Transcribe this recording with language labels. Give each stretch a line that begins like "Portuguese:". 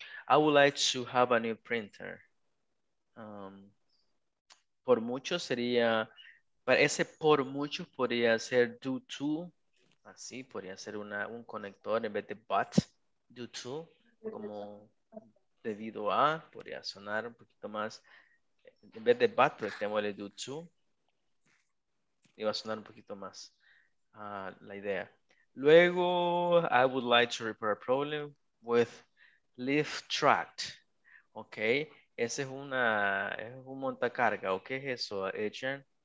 English: I would like to have a new printer.
Spanish: Por muchos sería... Para ese por muchos podría ser due to. Así, podría ser un conector en vez de but. Due to. Como debido a, podría sonar un poquito más, en vez de but, tenemos el due to, iba a sonar un poquito más la idea.
English: Luego, I would like to repair a problem with lift truck.
Spanish: Ok, ese es un montacarga, ¿o qué es eso, Adrian?